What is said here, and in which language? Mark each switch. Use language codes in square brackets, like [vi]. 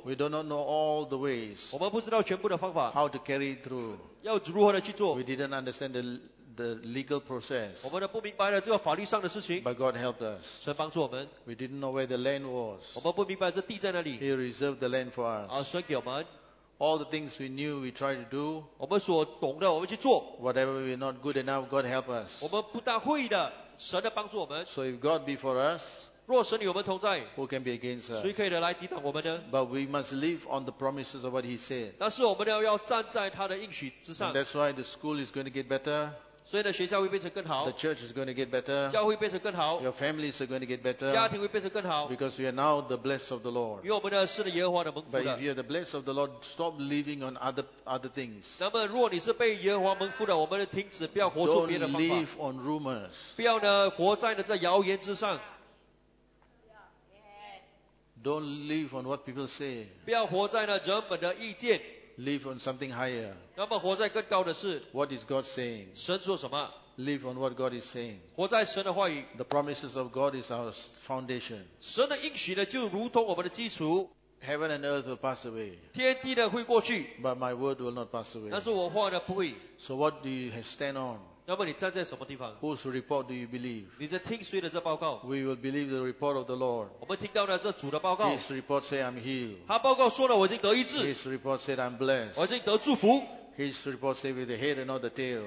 [en] we do not know all the ways, [zh] 我们不知道全部的方法, [en] how to carry it through. [zh] 要如何的去做, [en] we didn't understand the legal process. [zh] 我们不明白了这个法律上的事情, [en] but God helped us. [zh] 神帮助我们, [en] we didn't know where the land was. [zh] 我们不明白这地在哪里, [en] He reserved the land for us. [zh] 神给我们, [en] all the things we knew, we tried to do. [zh] 我们所懂的, [en] whatever we are not good enough, God help us. [zh] 我们不大会的, [en] so if God be for us, [zh] 若神与我们同在, [en] who can be against us? [zh] 谁可以来抵挡我们呢? [en] But we must live on the promises of what He said. [zh] 但是我们要站在他的应许之上, [en] and that's why the school is going to get better. [zh] 所以呢,学校会变成更好, [en] the church is going to get better. [zh] 教会变成更好, [en] your families are going to get better. [zh] 家庭会变成更好, [en] because we are now the blessed of the Lord. [zh] 因为我们呢,是耶和华的蒙福的, [en] but if you are the blessed of the Lord, stop living on other things. [zh] 那么如果你是被耶和华蒙福的, 我们停止, [en] don't live on rumors. [zh] 不要呢,活在呢,在谣言之上, [en] don't live on what people say. [zh] 不要活在呢,人们的意见, [en] live on something higher. [zh] 那么活在更高的是, [en] what is God saying? [zh] 神说什么? [en] Live on what God is saying. [zh] 活在神的话语, [en] the promises of God is our foundation. [zh] 神的应许呢, [en] heaven and earth will pass away. [zh] 天地呢会过去, [en] but my word will not pass away. [zh] 但是我话呢不会, [en] so what do you stand on? [zh] 那么你站在什么地方? [en] Whose report do you believe? [zh] 你在听谁的这报告? [en] We will believe the report of the Lord. [zh] 我们听到了这主的报告, [en] His report said I'm healed. [zh] 他报告说了我已经得医治, [en] His report said I'm blessed. [zh] 我已经得祝福, [en] His report said with the head and not the tail.